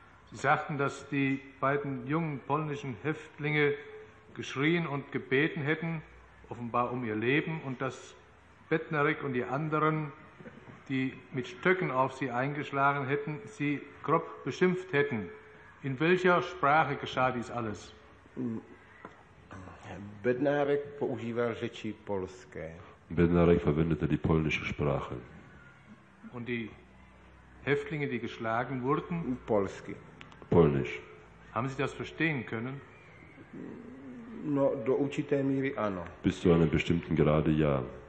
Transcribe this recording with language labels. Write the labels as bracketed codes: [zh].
[de] Sie sagten, dass die beiden jungen polnischen Häftlinge geschrien und gebeten hätten, offenbar um ihr Leben, und dass Bednarek und die anderen die mit Stöcken auf sie eingeschlagen hätten, sie grob beschimpft hätten. In welcher Sprache geschah dies alles? [cs] Bednarek používal řeči polské. [de] Bednarek verwendete die polnische Sprache. Und die Häftlinge, die geschlagen wurden? [cs] Polski. [de] Polnisch. Haben Sie das verstehen können? [cs] No, do určité míry ano. [de] Bis zu einem bestimmten Grade ja.